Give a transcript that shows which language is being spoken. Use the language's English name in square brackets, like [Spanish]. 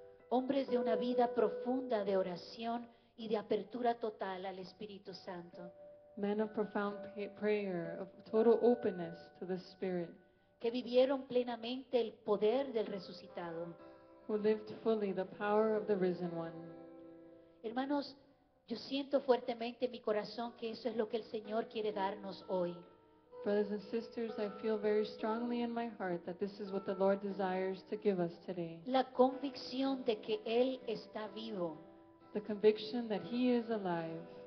[Spanish] hombres de una vida profunda de oración y de apertura total al Espíritu Santo. [English] Men of profound prayer, of total openness to the Spirit. [Spanish] Que vivieron plenamente el poder del resucitado. [English] Who lived fully the power of the risen one. [Spanish] Hermanos, yo siento fuertemente en mi corazón que eso es lo que el Señor quiere darnos hoy. [English] Brothers and sisters, I feel very strongly in my heart that this is what the Lord desires to give us today. [Spanish] La convicción de que Él está vivo. [English] The conviction that He is alive.